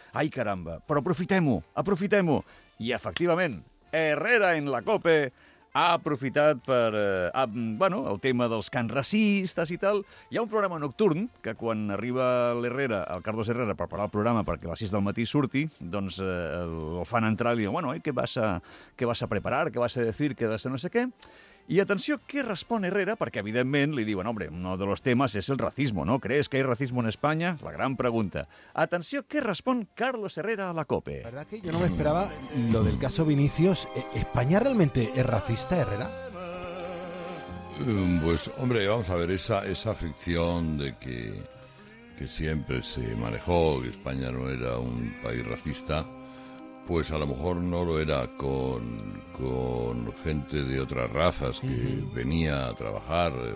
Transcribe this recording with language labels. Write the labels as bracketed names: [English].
[Catalan] Ai, caramba, però aprofitem-ho, aprofitem-ho. I, efectivament, Herrera en la COPE ha aprofitat per, bueno, el tema dels cants racistes i tal. Hi ha un programa nocturn que quan arriba l'Herrera, el Carlos Herrera, per preparar el programa perquè a les 6 del matí surti, doncs el fan entrar i diuen, bueno, què vas a preparar, [Spanish] què vas a decir, [Catalan] què vas a no sé què. I atenció, què respon Herrera? Perquè, evidentment, li diuen, [Spanish] hombre, uno de los temas es el racismo, ¿no? ¿Crees que hay racismo en España? [Catalan] La gran pregunta. Atenció, què respon Carlos Herrera a la COPE? [Spanish] La verdad que yo no me esperaba lo del caso Vinicius. ¿España realmente es racista, Herrera? Pues, hombre, vamos a ver, esa ficción de que siempre se manejó, que España no era un país racista... Pues a lo mejor no lo era con gente de otras razas que venía a trabajar.